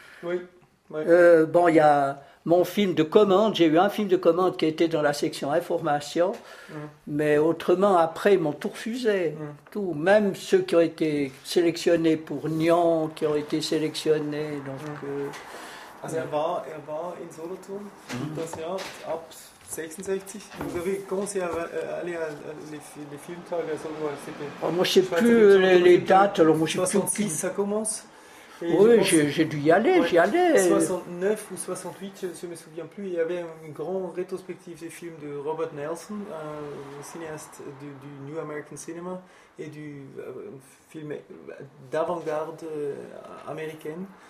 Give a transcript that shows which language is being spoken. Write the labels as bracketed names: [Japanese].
[French] Oui. Il y a mon film de commande, j'ai eu un film de commande qui était dans la section information, mais autrement, après, ils m'ont tout refusé. Tout, même ceux qui ont été sélectionnés pour Nyon, qui ont été sélectionnés. [German] Er war in Solothurn, das Jahr ab 1966. [French] Comment c'est allé les filmtags à Solothurn? Moi, je ne sais plus les dates. Alors, moi, je sais plus. 66, ça commence. J'ai dû y aller, j'y allais. 69 ou 68, je ne me souviens plus. Il y avait une grande rétrospective des films de Robert Nelson, un cinéaste du New American Cinema et du film d'avant-garde américaine.